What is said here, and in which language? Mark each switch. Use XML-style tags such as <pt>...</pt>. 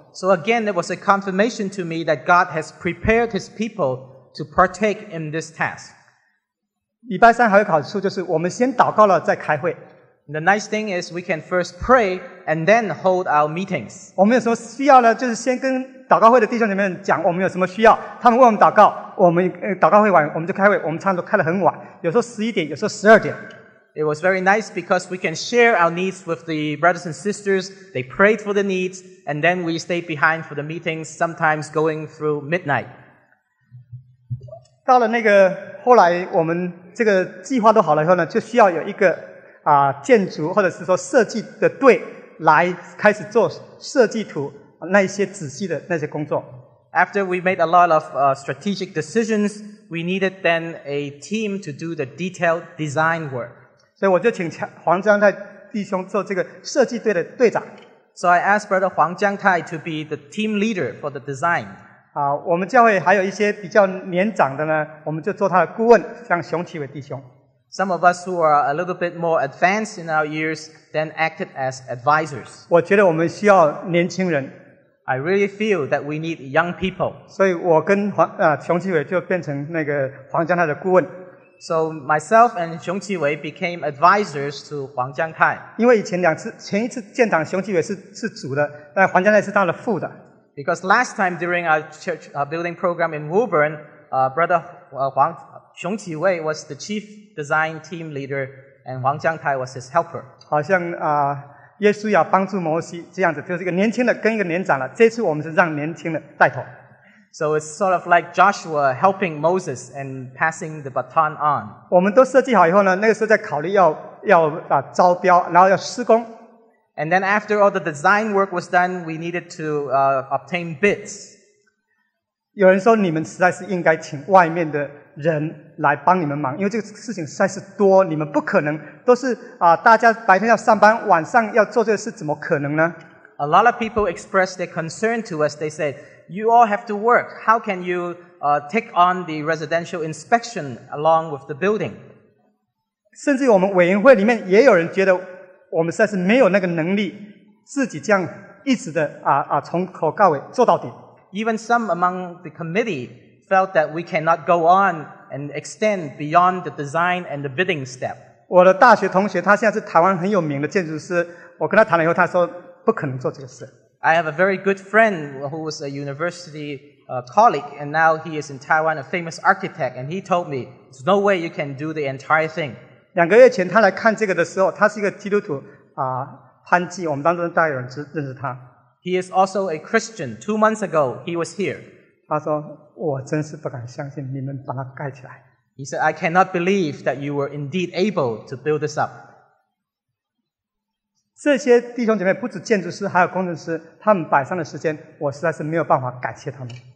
<en>So again, it was a confirmation to me that God has prepared His people to partake in this task.</en> <zh>礼拜三还有好处就是我们先祷告了再开会。</zh> <en>The nice thing is we can first pray and then hold our meetings.</en> <zh>我们有什么需要呢？就是先跟祷告会的弟兄姐妹们讲我们有什么需要，他们为我们祷告，我们祷告会完我们就开会。我们常常都开得很晚，有时候11点，有时候12点。</zh> <en>It was very nice because we can share our needs with the brothers and sisters. They prayed for the needs, and then we stayed behind for the meetings, sometimes going through midnight.</en> <zh>到了那个后来，我们这个计划都好了以后呢，就需要有一个建筑或者是说设计的队来开始做设计图那些仔细的那些工作。</zh> <en>After we made a lot of strategic decisions, we needed then a team to do the detailed design work.</en> <zh>所以我就请黄江泰弟兄做这个设计队的队长。</zh> <en>So I asked Brother 黄江泰 to be the team leader for the design.</en> <zh>我们教会还有一些比较年长的呢，我们就做他的顾问，像熊启伟弟兄。</zh> <en>Some of us who are a little bit more advanced in our years then acted as advisors.</en> <zh>我觉得我们需要年轻人。</zh> <en>I really feel that we need young people.</en> <zh>所以我跟熊启伟就变成那个黄江泰的顾问。</zh> <en>So myself and 熊其伟 became advisors to 黄江泰。</en> <zh>因为以前两次，前一次建党，熊其伟 是主的，但黄江泰是当了副的。</zh> <en>Because last time during our church building program in Woburn, brother 黄熊其伟 was the chief design team leader, and 黄江泰 was his helper.</en> <zh>好像耶稣要帮助摩西这样子，就是一个年轻的跟一个年长了。这次我们是让年轻的带头。</zh> <en>So it's sort of like Joshua helping Moses and passing the baton on.</en> <zh>我们都设计好以后呢，那个时候在考虑要招标，然后要施工。</zh> <en>And then after all the design work was done, we needed to obtain bids.</en> <zh>有人说你们实在是应该请外面的人来帮你们忙，因为这个事情实在是多，你们不可能都是大家白天要上班，晚上要做这个事，怎么可能呢？</zh> <en>A lot of people expressed their concern to us. They said. You all have to work. How can you take on the residential inspection along with the building?</en> <zh>甚至我们委员会里面也有人觉得我们实在是没有那个能力自己这样一直的从头到尾做到底。</zh> <en>Even some among the committee felt that we cannot go on and extend beyond the design and the bidding step.</en> <zh>我的大学同学他现在是台湾很有名的建筑师，我跟他谈了以后，他说不可能做这个事。</zh> <en>I have a very good friend who was a university colleague, and now he is in Taiwan, a famous architect, and he told me, there's no way you can do the entire thing.</en> <zh>两个月前他来看这个的时候，他是一个基督徒潘季，我们当中大有人认识他。</zh> <en>He is also a Christian. 2 months ago, he was here.</en> <zh>他说，我真是不敢相信你们把它盖起来。</zh> <en>He said, I cannot believe that you were indeed able to build this up.</en> <zh>这些弟兄姐妹不止建筑师还有工程师，他们摆上的时间我实在是没有办法感谢他们。</zh>